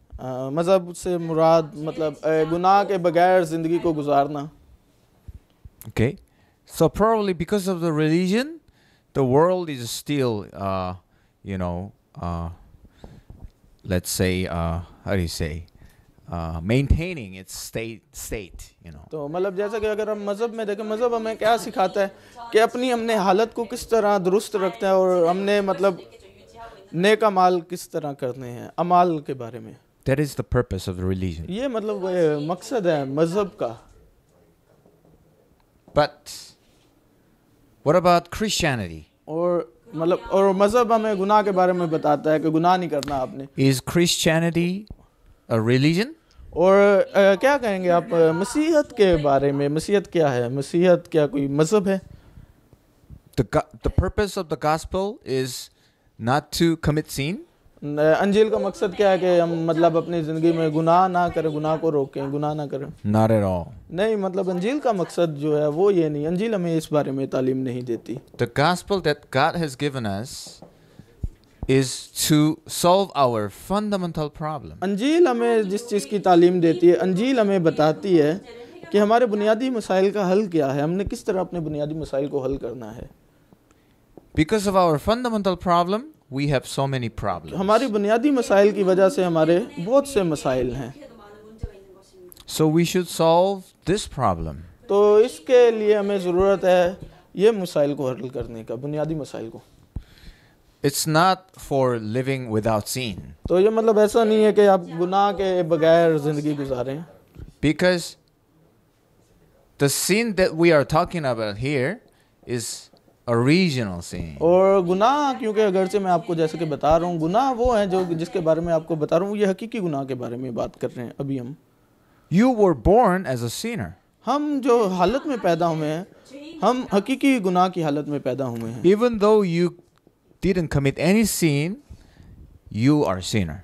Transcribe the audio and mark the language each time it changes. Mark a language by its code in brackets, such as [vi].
[hi] मज़हब से मुराद मतलब गुनाह के बगैर ज़िंदगी को गुजारना. [en] Okay, so probably because of the religion, the world is still, let's say, how do you say, maintaining its state, you know. [hi] तो मतलब जैसा कि अगर हम मज़हब में देखें, मज़हब हमें क्या सिखाता है कि अपनी हमने हालत को किस तरह दुरुस्त रखते हैं और हमने मतलब नेक अमाल किस तरह करने हैं अमाल के बारे में. [en] That is the purpose of the religion. [hi] ये मतलब मकसद है मज़हब का. [en] But what about Christianity? [hi] और मतलब और मज़हब हमें गुनाह के बारे में बताता है कि गुनाह नहीं करना आपने. [en] Is Christianity a religion? [hi] और क्या कहेंगे आप मसीहत के बारे में? मसीहत क्या है? मसीहत क्या कोई मज़हब है? [en] The purpose of the gospel is not to commit sin. [hi] अंजील का मकसद क्या है कि हम मतलब अपनी जिंदगी में गुनाह ना करें, गुनाह को रोकें, गुनाह ना करें? [en] Not at all. [hi] नहीं, मतलब अंजील का मकसद जो है वो ये नहीं. अंजील हमें इस बारे में तालीम नहीं देती. [en] The gospel that God has given us is to solve our fundamental problem. [hi] अंजील हमें जिस चीज की तालीम देती है, अंजील हमें बताती है कि हमारे बुनियादी मसाइल का हल क्या है, हमने किस तरह अपने बुनियादी मसाइल को हल करना है. [en] Because of our fundamental problem, we have so many problems. [hi] हमारी बुनियादी मसाइल की वजह से हमारे बहुत से मसाइल हैं. [en] So we should solve this problem. [hi] तो इसके लिए हमें जरूरत है ये मसाइल को हल करने का, बुनियादी मसाइल को. [en] It's not for living without sin. [hi] तो ये मतलब ऐसा नहीं है कि आप गुनाह के बगैर जिंदगी गुजारें. [en] Because the sin that we are talking about here is original sin. [hi] और गुनाह, क्योंकि अगर से मैं आपको जैसे कि बता रहा हूँ, गुनाह वो है जो जिसके बारे में आपको बता रहा हूँ, ये हकीकी गुनाह के बारे में बात कर रहे हैं अभी हम. [en] You were born as a sinner. [hi] हम जो हालत में पैदा हुए हैं, हम हकीकी गुनाह की हालत में पैदा हुए हैं. [en] Even though you didn't commit any sin, you are a sinner.